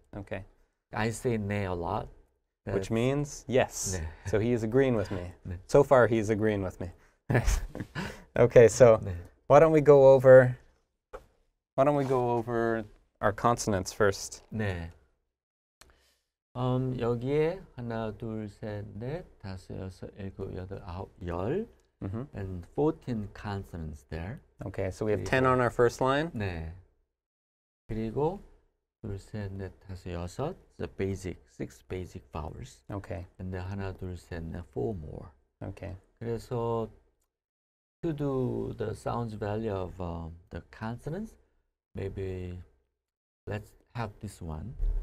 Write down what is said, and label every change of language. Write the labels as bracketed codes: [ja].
[en] Okay. I say 네 a lot. That's which means yes. 네. So he is agreeing with me. 네. So far, he's agreeing with me. Okay, so 네. why don't we go over our consonants first? [ko] 네. 여기에 하나, 둘, 셋, 넷, 다섯, 여섯, 일곱, 여덟, 아홉, 열. [en] Mm-hmm. And 14 consonants there. Okay, so we have 10 on our first line. [ko] 네. 그리고 둘, 셋, 넷, 다섯, 여섯, [en] the basic, six basic vowels. Okay. And then [ko] 하나, 둘, 셋, 넷, [en] four more. Okay. 그래서 to do the sounds value of the consonants, maybe let's have this one.